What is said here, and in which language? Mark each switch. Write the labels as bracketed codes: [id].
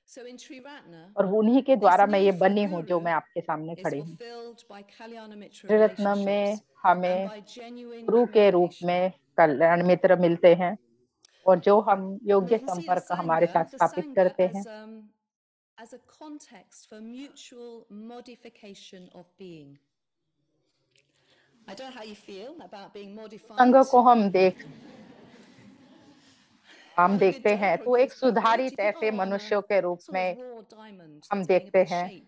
[en] So in Sri Ratna, [hi] और उन्हीं के द्वारा मैं ये बनी हूँ जो मैं आपके सामने खड़ी हूँ. श्री रत्न में हमें गुरु के रूप में कल्याण मित्र मिलते हैं और जो हम योग्य संपर्क हमारे साथ स्थापित करते हैं. [en] As a context for mutual modification of being. I don't know how you feel about being modified. [hi] संघ को हम देखते हैं तो एक सुधारित ऐसे मनुष्यों के रूप में हम देखते हैं.